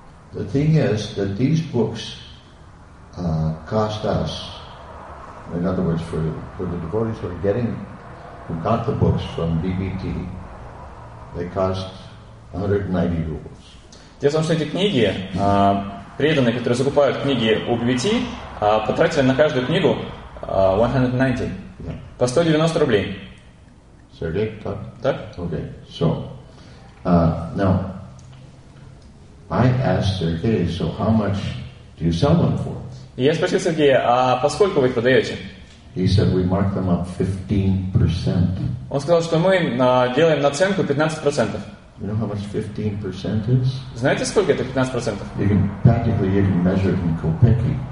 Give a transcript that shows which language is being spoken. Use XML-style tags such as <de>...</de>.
<en>The thing is that these books cost us, in other words, for the devotees who are getting, who got the books from DBT, they cost 190 rubles.</en> <ru>Дело в том, что эти книги, преданные, которые закупают книги у DBT, потратили на каждую книгу 190, yeah. по 190 рублей. Сергей, так? Так.</ru> <en>Okay. So, now, I asked Sergei, so how much do you sell them for?</en> <ru>Я спросил Сергея, а поскольку вы их продаете?</ru> <en>He said we mark them up 15%.</en> <ru>Он сказал, что мы делаем наценку 15%.</ru> <en>You know how much 15% is?</en> <ru>Знаете, сколько это 15%?</ru> <en>You can practically even measure it in copeki.</en>